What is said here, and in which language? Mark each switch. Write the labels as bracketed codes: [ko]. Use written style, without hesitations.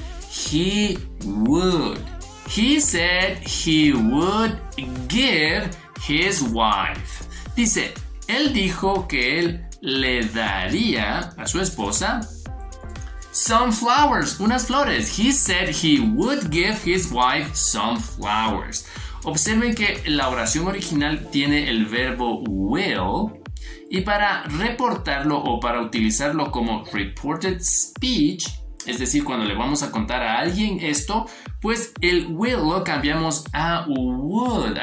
[en] He would. He said he would give his wife. Dice. [es] Él dijo que él le daría a su esposa [en] some flowers, [es] unas flores. [en] He said he would give his wife some flowers. [es] Observen que la oración original tiene el verbo will, y para reportarlo o para utilizarlo como reported speech, es decir, cuando le vamos a contar a alguien esto, pues el will lo cambiamos a would.